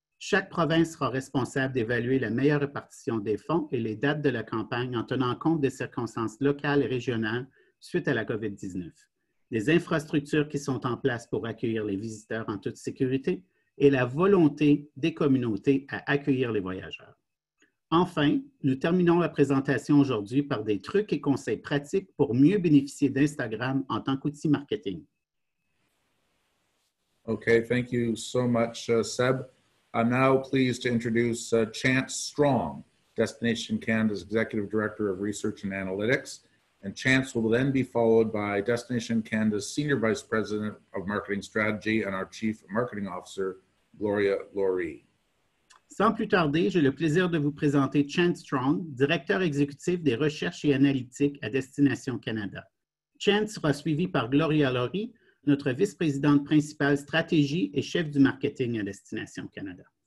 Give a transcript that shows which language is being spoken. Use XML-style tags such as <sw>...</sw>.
<fr>Chaque province sera responsable d'évaluer la meilleure répartition des fonds et les dates de la campagne en tenant compte des circonstances locales et régionales suite à la COVID-19, des infrastructures qui sont en place pour accueillir les visiteurs en toute sécurité et la volonté des communautés à accueillir les voyageurs. Enfin, nous terminons la présentation aujourd'hui par des trucs et conseils pratiques pour mieux bénéficier d'Instagram en tant qu'outil marketing.</fr> <en>Okay, thank you so much, Seb. I'm now pleased to introduce Chantz Strong, Destination Canada's Executive Director of Research and Analytics. And Chantz will then be followed by Destination Canada's Senior Vice President of Marketing Strategy and our Chief Marketing Officer, Gloria Loree.</en> <fr>Sans plus tarder, j'ai le plaisir de vous présenter Chantz Strong, Directeur Exécutif des Recherches et Analytiques à Destination Canada. Chantz sera suivi par Gloria Loree, notre vice-présidente principale stratégie et chef du marketing à Destination Canada.</fr>